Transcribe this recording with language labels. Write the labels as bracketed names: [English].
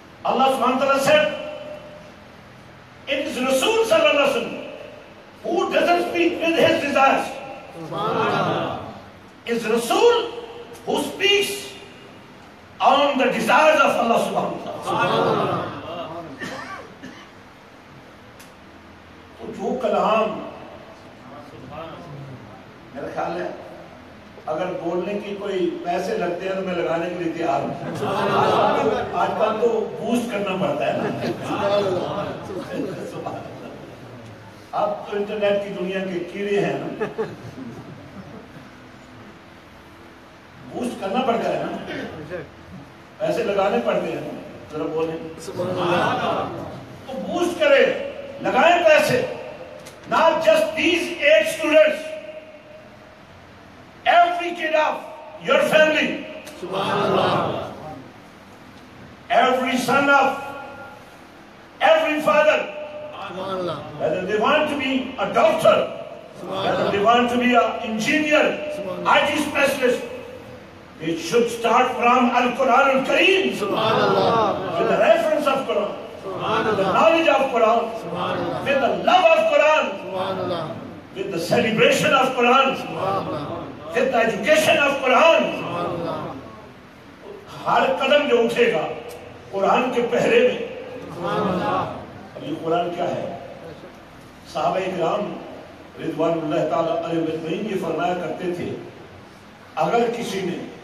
[English] Allah subhanahu wa ta'ala said, it is Rasul sallallahu alayhi wa sallam who doesn't speak with his desires. It's Rasul who speaks on the desires of Allah subhanahu wa ta'ala. [Urdu] So, jo kalam, mera khayal hai, اگر بولنے کی کوئی پیسے لگتے ہیں تو میں لگانے کے لیے تیار ہوں. آج کل تو بوسٹ کرنا پڑتا ہے نا, اب تو انٹرنیٹ کی دنیا کے کیڑے ہیں نا, بوسٹ کرنا پڑتا ہے نا, پیسے لگانے پڑتے ہیں نا. ذرا بولیں تو بوسٹ کرے, لگائے پیسے. [English] not just these eight students, every kid of your family, [Arabic] subhanallah, [English] every son of every father, [Arabic] subhanallah, [English] whether they want to be a doctor, whether they want to be an engineer, IT specialist, it should start from Al-Quran Al-Kareem, [Arabic] subhanallah, [English] with the reference of Quran, [Arabic] subhanallah, [English] the knowledge of Quran, [Arabic] subhanallah, [English] with the love of Quran, [Arabic] subhanallah, [English] with the celebration of Quran, [Arabic] subhanallah, [English] with the education of Quran. [Urdu] ہر قدم جو اٹھے گا قرآن کے پہرے میں. اب یہ قرآن کیا ہے؟ صحابہ اکرام رضوان اللہ تعالیٰ علیہ اجمعین یہ فرمایا کرتے تھے, اگر کسی نے